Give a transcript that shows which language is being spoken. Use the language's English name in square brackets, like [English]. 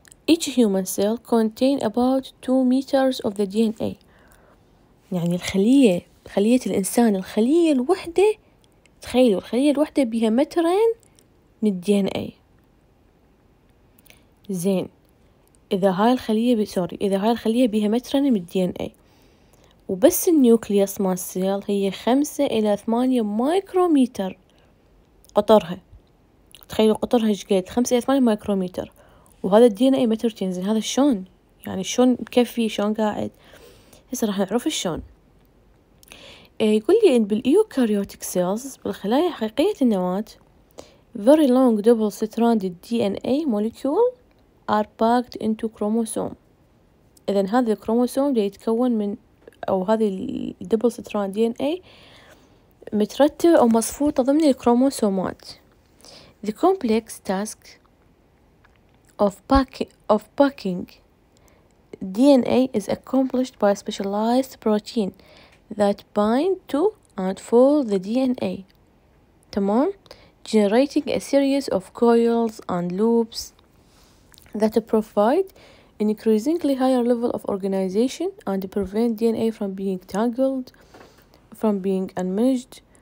[English] Each human cell contain about 2 meters of the DNA. [Arabic] يعني خلية الإنسان الخلية الوحدة تخيلوا الخلية الوحدة بها مترين. من DNA. زين إذا هاي الخلية إذا هاي الخلية بيها مترين من DNA وبس النيوكليوس مال السيل هي 5 إلى 8 مايكرومتر قطرها تخيلوا قطرها شقد 5 إلى 8 مايكرومتر وهذا DNA مترتين زين هذا شون يعني شون مكفي شون قاعد هسه راح نعرف شون يقول لي إن بالإيوكاريوتيك سيلز بالخلايا حقيقية النواة [English] Very long double-stranded DNA molecule are packed into chromosome. [Arabic] إذن هذا الكروموسوم دي يتكون من أو هذه double-stranded DNA مترتبة أو مصفوطة ضمن الكروموسومات. [English] The complex task of packing DNA is accomplished by a specialized protein that bind to and fold the DNA. تمام؟ generating a series of coils and loops that provide an increasingly higher level of organization and prevent DNA from being tangled, from being unmanaged.